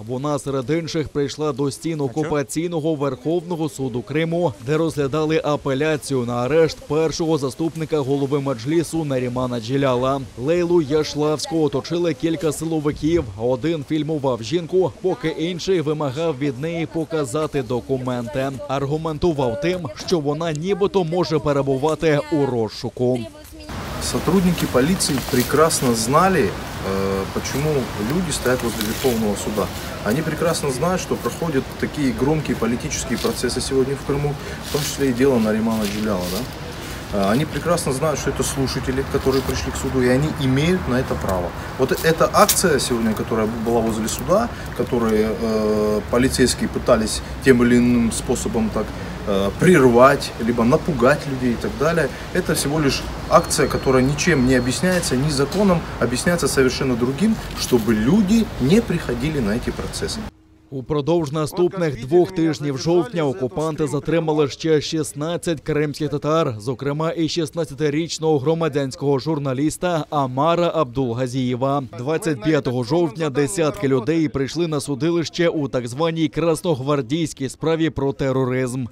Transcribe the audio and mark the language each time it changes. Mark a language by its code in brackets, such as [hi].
[uk] Вона серед інших прийшла до стін окупаційного Верховного суду Криму, де розглядали апеляцію на арешт першого заступника голови Меджлісу Нарімана Джіляла. Лейлу Яшлавську оточили кілька силовиків. Один фільмував жінку, поки інший вимагав від неї показати документи. Аргументував тим, що вона нібито може перебувати у розшуку. [ru] Сотрудники полиции прекрасно знали, почему люди стоят возле Верховного суда. Они прекрасно знают, что проходят такие громкие политические процессы сегодня в Крыму, в том числе и дело Наримана Джиляла. Да? Они прекрасно знают, что это слушатели, которые пришли к суду, и они имеют на это право. Вот эта акция сегодня, которая была возле суда, которую полицейские пытались тем или иным способом так прервать, либо напугать людей и так далее, это всего лишь акция, которая ничем не объясняется, ни законом, объясняется совершенно другим, чтобы люди не приходили на эти процессы. [uk] Упродовж наступних 2 тижнів жовтня окупанти затримали ще 16 кримських татар, зокрема і 16-річного громадянського журналіста Амара Абдулгазієва. 25 жовтня десятки людей прийшли на судилище у так званій красногвардійській справі про тероризм.